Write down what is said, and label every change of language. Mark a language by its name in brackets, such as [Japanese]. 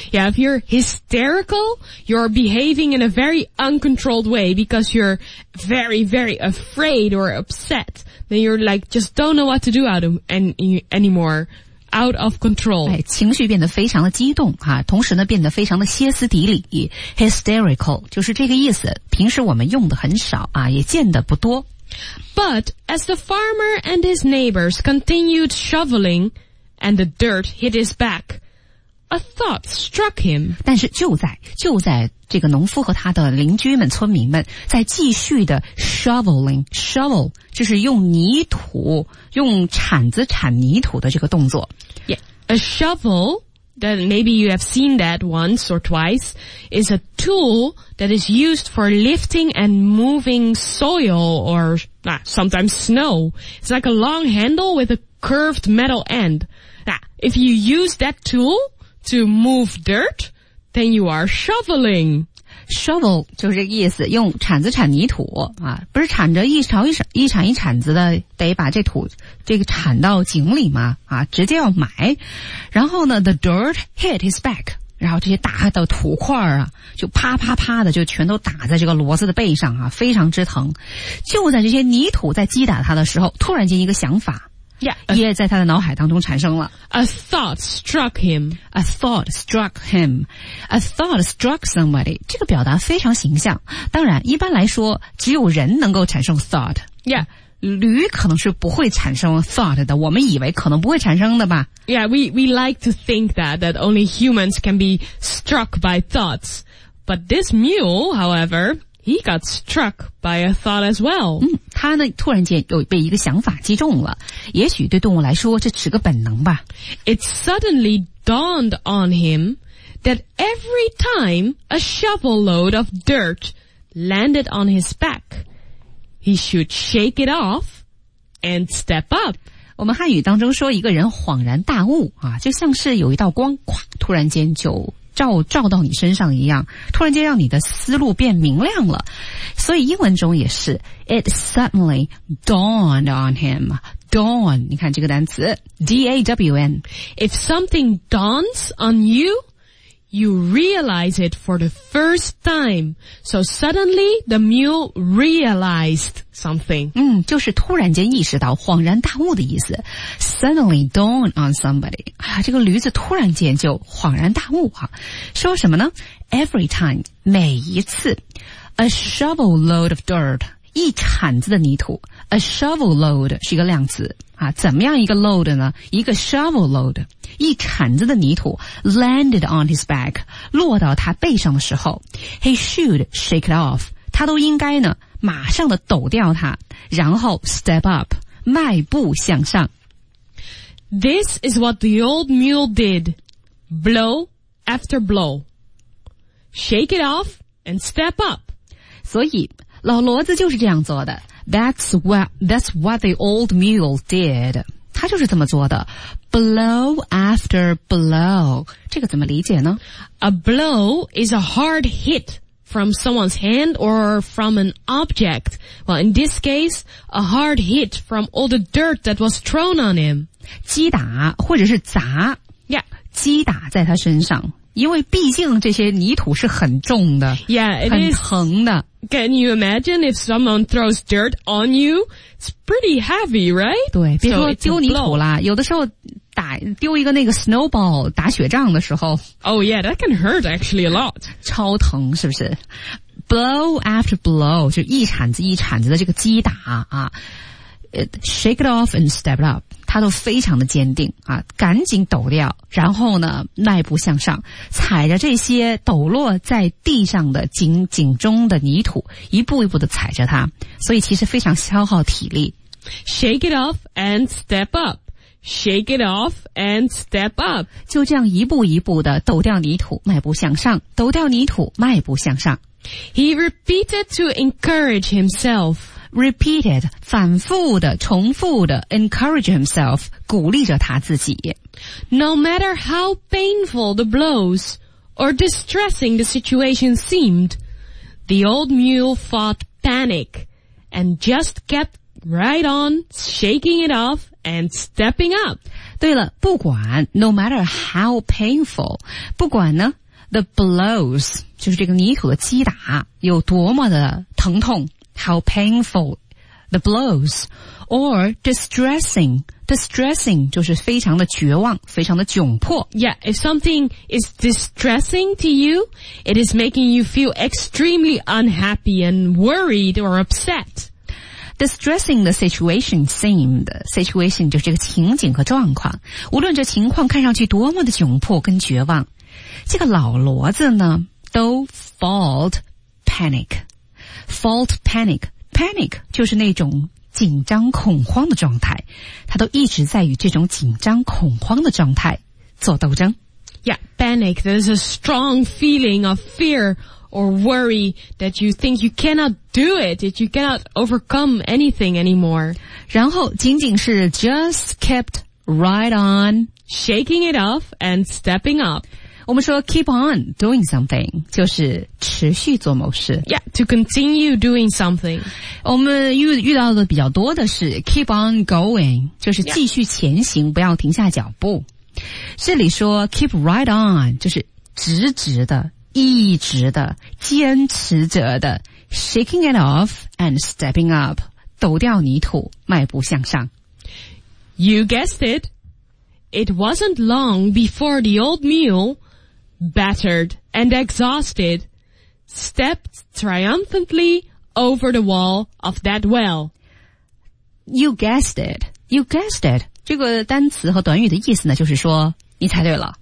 [English] Yeah, if you're hysterical, you're behaving in a very uncontrolled way because you're very, very afraid or upset. Then you're like, just don't know what to do anymore. Out of control. [Chinese] 哎、情绪变得非常的激动、啊、同时呢变得非常的歇斯底里。 Hysterical, 就是这个意思。平时我们用的很少、啊、也见得不多。 [English] But as the farmer and his neighbors continued shoveling,And the dirt hit his back. A thought struck him. [Chinese] 但是就在这个农夫和他的邻居们、村民们在继续的 shovel, 就是用泥土、用铲子铲泥土的这个动作。 [English] Yeah, a shovel, that maybe you have seen that once or twice, is a tool that is used for lifting and moving soil or sometimes snow. It's like a long handle with a curved metal end. If you use that tool to move dirt, then you are shoveling. [Chinese] shovel 就是这个意思，用铲子铲泥土啊，不是铲着一勺一铲一铲子的，得把这土这个铲到井里嘛，啊，直接要埋。然后呢 ， [English] the dirt hit his back， [Chinese] 然后这些大的土块啊，就啪啪啪的就全都打在这个骡子的背上啊，非常之疼。就在这些泥土在击打他的时候，突然间一个想法。 [English] Yeah, [Chinese] 也在他的脑海当中产生了。 [English] A thought struck him. A thought struck him. A thought struck somebody. [Chinese] 这个表达非常形象。当然，一般来说，只有人能够产生 thought. [English] Yeah. [Chinese] 驴可能是不会产生 thought 的，我们以为可能不会产生的吧。 [English] Yeah, we like to think that only humans can be struck by thoughts. But this mule, however... He got struck by a thought as well. [Chinese] 嗯，他呢突然间又被一个想法击中了。也许对动物来说，这是个本能吧。 [English] It suddenly dawned on him that every time a shovel load of dirt landed on his back, he should shake it off and step up. [Chinese] 我们汉语当中说，一个人恍然大悟啊，就像是有一道光，咵，突然间就。照到你身上一样，突然间让你的思路变明亮了。所以英文中也是 [English] It suddenly dawned on him. [Chinese] Dawn, 你看这个单词 D-A-W-N. [English] If something dawns on you, you realize it for the first time. So suddenly the mule realized something. [Chinese] 嗯，就是突然间意识到，恍然大悟的意思。 [English] Suddenly dawn on somebody. [Chinese] 啊，这个驴子突然间就恍然大悟啊。说什么呢？ [English] Every time, [Chinese] 每一次。 [English] A shovel load of dirt, [Chinese] 一铲子的泥土。 A shovel load 是一个量词啊，怎么样一个 load 呢？一个 shovel load， 一铲子的泥土 [English] landed on his back， [Chinese] 落到他背上的时候 ， [English] he should shake it off， [Chinese] 他都应该呢马上的抖掉它，然后 [English] step up， [Chinese] 迈步向上。 [English] This is what the old mule did, blow after blow, shake it off and step up。 [Chinese] 所以老骡子就是这样做的。 [English] That's what the old mule did. [Chinese] 他就是这么做的。 [English] Blow after blow. [Chinese] 这个怎么理解呢？ [English] A blow is a hard hit from someone's hand or from an object. Well, in this case, a hard hit from all the dirt that was thrown on him. [Chinese] 击打或者是砸。 [English] Yeah. [Chinese] 击打在他身上。因为毕竟这些泥土是很重的 [English] yeah, [Chinese] 很疼的 [English] Can you imagine if someone throws dirt on you? It's pretty heavy, right? [Chinese] 对别说丢泥土啦有的时候打丢一个那个 snowball 打雪仗的时候 [English] Oh yeah, that can hurt actually a lot [Chinese] 超疼是不是 [English] Blow after blow [Chinese] 就一铲子一铲子的这个击打啊 [English] Shake it off and step it up [Chinese] 他都非常的坚定啊，赶紧抖掉，然后呢，迈步向上，踩着这些抖落在地上的井中的泥土，一步一步的踩着它，所以其实非常消耗体力。 [English] Shake it off and step up. Shake it off and step up. [Chinese] 就这样一步一步的抖掉泥土，迈步向上，抖掉泥土，迈步向上。 [English] He repeated to encourage himself. [Chinese] Repeated, 反复的重复的 [English] encourage himself, [Chinese] 鼓励着他自己。 [English] No matter how painful the blows or distressing the situation seemed, the old mule fought panic and just kept right on shaking it off and stepping up. [Chinese] 对了不管 [English] no matter how painful, [Chinese] 不管呢 [English] the blows, [Chinese] 就是这个泥土的击打有多么的疼痛。 [English] How painful the blows or distressing. [Chinese] Distressing 就是非常的绝望非常的窘迫 [English] Yeah, if something is distressing to you, it is making you feel extremely unhappy and worried or upset. Distressing the situation seemed. [Chinese] Situation 就是这个情景和状况。无论这情况看上去多么的窘迫跟绝望。这个老骡子呢都 [English] fought panic. Fault panic. [Chinese] Panic 就是那种紧张恐慌的状态。他都一直在与这种紧张恐慌的状态做斗争。 [English] Yeah, panic. There's a strong feeling of fear or worry that you think you cannot do it, that you cannot overcome anything anymore. [Chinese] 然后仅仅是 [English] just kept right on shaking it off and stepping up. [Chinese] 我们说 [English] keep on doing something [Chinese] 就是持续做某事。 [English] Yeah, to continue doing something. [Chinese] 我们遇到的比较多的是 [English] keep on going, [Chinese] 就是继续前行、yeah. 不要停下脚步。这里说 [English] keep right on, [Chinese] 就是直直的一直的坚持着的 [English] shaking it off and stepping up, [Chinese] 抖掉泥土迈步向上。 [English] You guessed it. It wasn't long before the old mule, battered and exhausted, stepped triumphantly over the wall of that well. You guessed it. You guessed it. [Chinese] 这个单词和短语的意思呢，就是说你猜对了。